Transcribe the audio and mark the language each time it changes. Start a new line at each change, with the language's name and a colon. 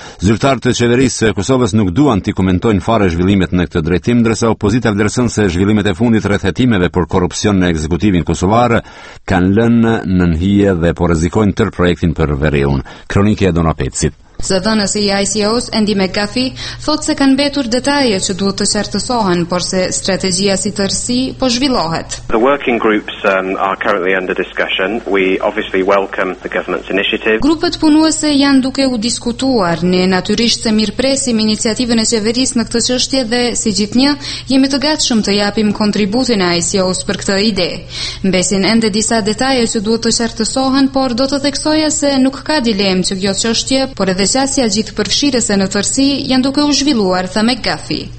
Albanian: Zyrtarët e qeverisë së Kosovës nuk duan të komentojnë fare zhvillimet në këtë drejtim, ndërsa opozita vlerëson se zhvillimet e fundit rreth hetimeve për korrupsion në ekzekutivin kosovar kanë lënë nën hije dhe po rrezikojnë tërë projektin për veriun. Kronike e Dona Pecit. Zëdhënës i ICO-s, Andy McGuffey, thot se kanë betur detaje që duhet të qartësohen, por se strategjia si tërsi po zhvillohet.
English: The working groups are currently under discussion. We obviously welcome the government's initiative.
Albanian: Grupet punuese janë duke u diskutuar. Ne natyrisht se mirëpresim iniciativën e qeverisë në këtë çështje dhe, si gjithnjë, jemi të gatshëm të japim kontributin e ICO-s për këtë ide. Mbesin ende disa detaje që duhet të qartësohen, por do të theksoja se nuk ka dilemë që kjo çështje, por dhe qasja gjithë përfshirëse në tërsi janë duke u zhvilluar, tha McGuffey.